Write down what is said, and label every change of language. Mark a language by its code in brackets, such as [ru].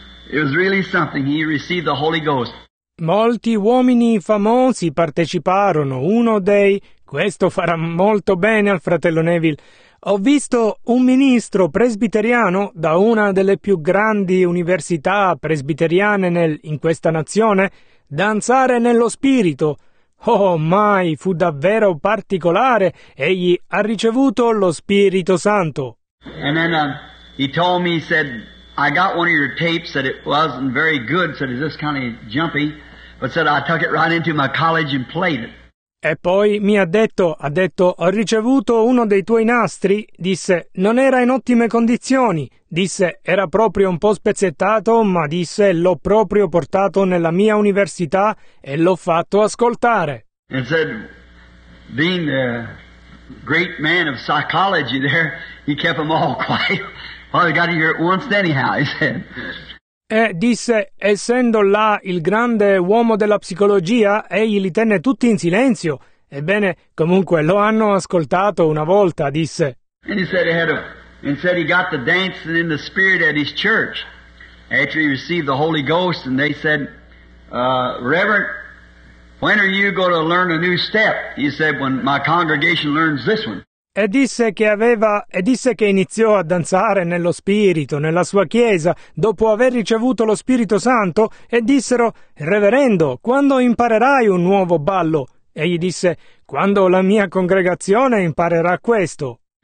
[en] It was really something. He received the Holy Ghost. [it] Molti uomini famosi parteciparono. Uno dei, questo farà molto bene al fratello Neville. Ho visto un ministro presbiteriano da una delle più grandi università presbiteriane in questa nazione danzare nello spirito. Oh, mai, fu davvero particolare. Egli ha ricevuto lo Spirito Santo. [en] And then he told me, he said, I got one of your tapes, said it wasn't very good, said it's just kind of jumpy, but said I took it right into my college and played it. [it] E poi mi ha detto, ho ricevuto uno dei tuoi nastri, disse, non era in ottime condizioni, disse, era proprio un po' spezzettato, ma disse, l'ho proprio portato nella mia università e l'ho fatto ascoltare. [en] And said, being the great man of psychology there, he kept them all quiet. Well, I got to hear it once anyhow, he said. [it] E disse, essendo là il grande uomo della psicologia, egli li tenne tutti in silenzio. Ebbene, comunque, lo hanno ascoltato una volta, disse. [en] And he said he got the dancing in the spirit at his church. After he received the Holy Ghost, and they said, Reverend, when are you going to learn a new step? He said, when my congregation learns this one. [it] E disse che aveva, e disse che iniziò a danzare nello spirito, nella sua chiesa, dopo aver ricevuto lo Spirito Santo, e dissero: Reverendo, quando imparerai un nuovo ballo? E gli disse: Quando la mia congregazione imparerà questo.